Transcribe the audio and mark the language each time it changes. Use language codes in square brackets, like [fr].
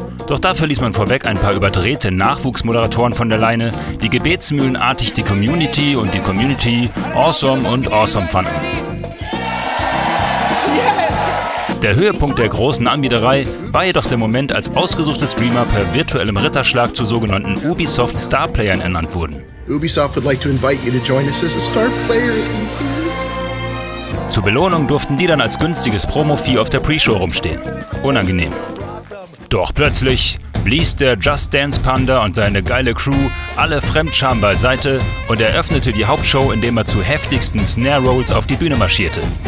[de] Doch dafür ließ man vorweg ein paar überdrehte Nachwuchsmoderatoren von der Leine, die gebetsmühlenartig die Community und die Community awesome und awesome fanden. Der Höhepunkt der großen Anbieterei war jedoch der Moment, als ausgesuchte Streamer per virtuellem Ritterschlag zu sogenannten Ubisoft Starplayern ernannt wurden. [en] Ubisoft would like to invite you to join us as a Star Player. [de] Zur Belohnung durften die dann als günstiges Promo-Vieh auf der Pre-Show rumstehen. Unangenehm. Doch plötzlich blies der Just Dance Panda und seine geile Crew alle Fremdscham beiseite und eröffnete die Hauptshow, indem er zu heftigsten Snare-Rolls auf die Bühne marschierte.